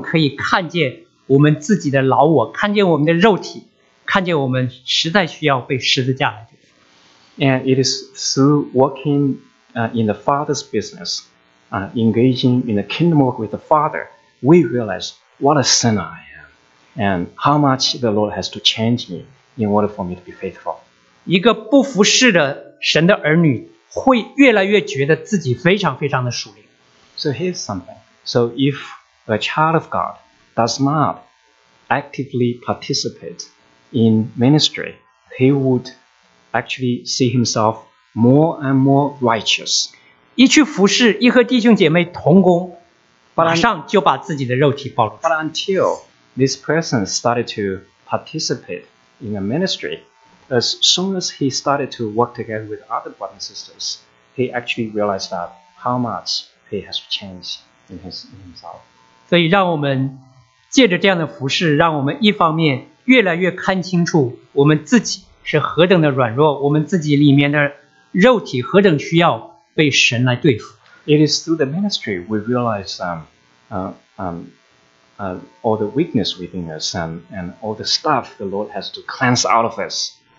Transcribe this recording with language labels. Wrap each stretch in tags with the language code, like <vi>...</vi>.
<zh>而且在服侍当中，我们可以看见我们自己的老我， 看见我们的肉体， 看见我们实在需要被十字架来解决。</zh> <en>And it is through working in the Father's business, engaging in the kingdom work with the Father, we realize what a sinner I am and how much the Lord has to change me in order for me to be faithful.</en> <zh>一个不服侍的神的儿女会越来越觉得自己非常非常的属灵。</zh> <en>So here's something. So if a child of God does not actively participate in ministry, he would actually see himself more and more righteous.</en> <zh>一去服侍，一和弟兄姐妹同工， 马上就把自己的肉体暴露。</zh> <en>But until this person started to participate in a ministry, as soon as he started to work together with other brothers and sisters, he actually realized that how much he has changed in himself.</en> <zh>所以让我们借着这样的服侍，让我们一方面越来越看清楚我们自己是何等的软弱，我们自己里面的肉体何等需要被神来对付。</zh> <en>It is through the ministry we realize all the weakness within us and all the stuff the Lord has to cleanse out of us.</en>